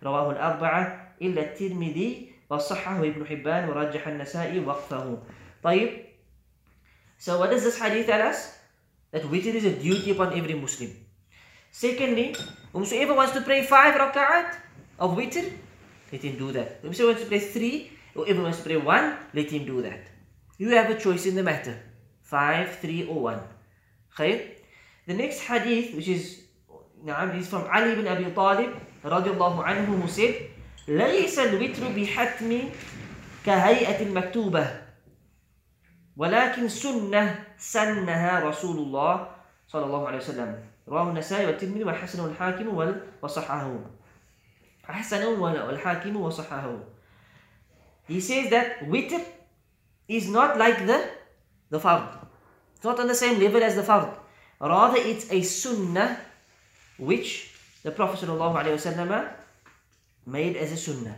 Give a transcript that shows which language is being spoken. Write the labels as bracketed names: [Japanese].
[Arabic] رواه الأربعة إلا الترمذي وصححه ابن حبان ورجح النسائي وقفه. [English] طيب, so what does this hadith tell us? That witr is a duty upon every Muslim. Secondly, whomsoever wants to pray five raka'at of witr, let him do that. Whomsoever wants to pray three, whoever wants to pray one, let him do that. You have a choice in the matter. Five, three, or one. Khair. The next hadith, which is, na'am, is from Ali ibn Abi Talib, radiallahu anhu, who said, [Arabic] لَيْسَ الْوِتْرُ بِحَتْمِ كَهَيْئَةٍ مَكْتُوبَةٍ وَلَكِنْ سُنَّةٍ سَنَّهَا رَسُولُ اللَّهِ صلى الله عليه وسلم. رواه النسائي والترمذي والحسن والحاكم وصححه. حسن والحاكم وصححه. [English] He says that witr is not like the fard. It's not on the same level as the fard. Rather, it's a sunnah which the Prophet sallallahu alaihi wasallam made as a sunnah.